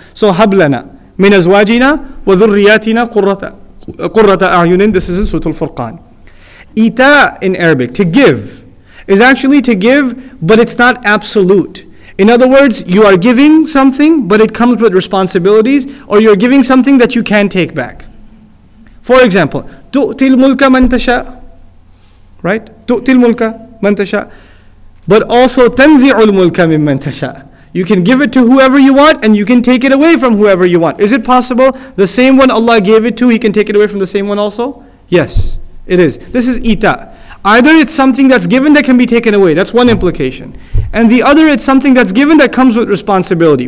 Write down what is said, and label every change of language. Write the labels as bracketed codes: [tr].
[ar] So hablana min azwajina wa dhurriyatina qurrata a'yunin. [en] This is in Surah Al-Furqan. Ita in Arabic, to give, is actually to give, but it's not absolute. In other words, you are giving something, but it comes with responsibilities, or you're giving something that you can't take back. For example, [ar] تُؤْتِ الْمُلْكَ مَنْ تَشَاءُ. [en] Right? [ar] تُؤْتِ الْمُلْكَ مَنْ تَشَاءُ. [en] But also, [ar] تَنْزِعُ الْمُلْكَ مِمَّنْ تَشَاءُ. [en] You can give it to whoever you want, and you can take it away from whoever you want. Is it possible the same one Allah gave it to, He can take it away from the same one also? Yes, it is. This is ita. Either it's something that's given that can be taken away. That's one implication. And the other, it's something that's given that comes with responsibility.